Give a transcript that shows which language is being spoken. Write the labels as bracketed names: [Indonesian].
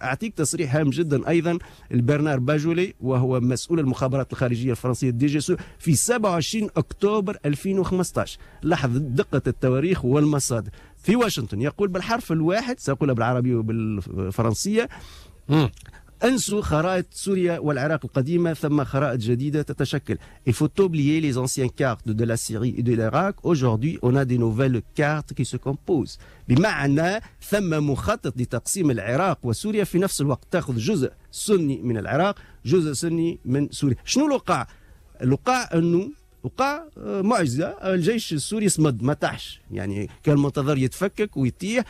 [Arabic] أعطيك تصريح هام جدا أيضا البرنار باجولي وهو مسؤول المخابرات الخارجية الفرنسية دي جي سو في 27 أكتوبر 2015، لاحظ دقة التواريخ والمصادر، في واشنطن يقول بالحرف الواحد، سأقولها بالعربي وبالفرنسية، انسوا خرائط سوريا والعراق القديمة ثم خرائط جديدة تتشكل. [French] Il faut oublier les anciennes cartes de la Syrie et de l'Irak. Aujourd'hui, on a des nouvelles cartes qui se composent. [Arabic] بمعنى ثم مخطط لتقسيم العراق وسوريا في نفس الوقت، تأخذ جزء سني من العراق، جزء سني من سوريا. شنو الوقع؟ الوقع أنه وقع معجزة، الجيش السوري صمد ما طاحش، يعني كان منتظر يتفكك ويطيح،